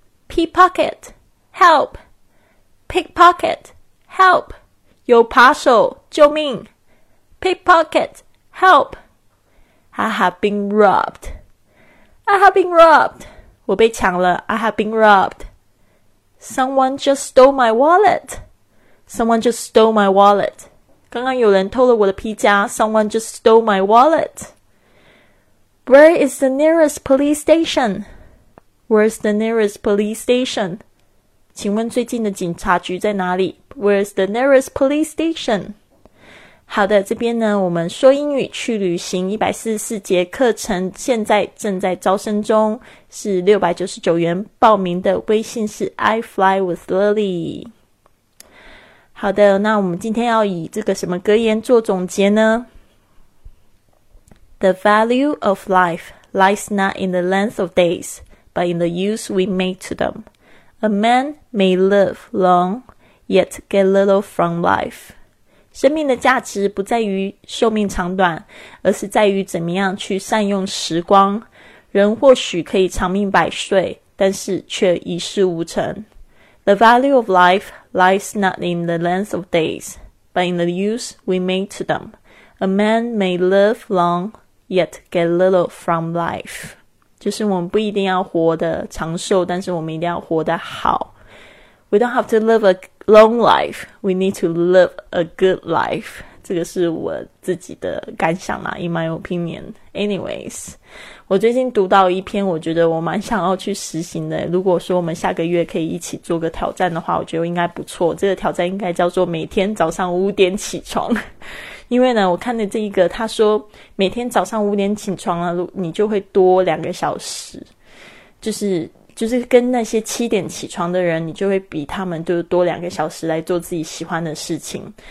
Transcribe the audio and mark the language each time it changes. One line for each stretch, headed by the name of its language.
English: Pickpocket, help Pickpocket, help
Chinese: 有扒手救命
English: Pickpocket, help I have been robbed I have been robbed
Chinese: 我被抢了
English: I have been robbed Someone just stole my wallet Someone just stole my wallet
Chinese: 刚刚有人偷了我的皮夹
English: Someone just stole my walletWhere is the nearest police station? Where's the nearest police station?
Chinese: 请问最近的警察局在哪里?
English: Where's the nearest police station?
Chinese: 好的，这边呢，我们说英语去旅行144节课程现在正在招生中，是699元，报名的微信是 iFlyWithLily。好的，那我们今天要以这个什么格言做总结呢？
English: The value of life lies not in the length of days, but in the use we make to them. A man may live long, yet get little from life.
Chinese: 生命的价值不在于寿命长短，而是在于怎么样去善用时光。人或许可以长命百岁，但是却一事无成。
English: The value of life lies not in the length of days, but in the use we make to them. A man may live long, yet get little from life.
Chinese: 就是我们不一定要活得长寿，但是我们一定要活得好。
English: We don't have to live a long life, we need to live a good life.
Chinese: 这个是我自己的感想啦，
English: in my opinion.
Chinese: Anyways, 我最近读到一篇我觉得我蛮想要去实行的，如果说我们下个月可以一起做个挑战的话，我觉得应该不错。这个挑战应该叫做每天早上五点起床。因为呢，我看的这一个，他说每天早上五点起床了，你就会多两个小时，就是跟那些七点起床的人，你就会比他们就多两个小时来做自己喜欢的事情。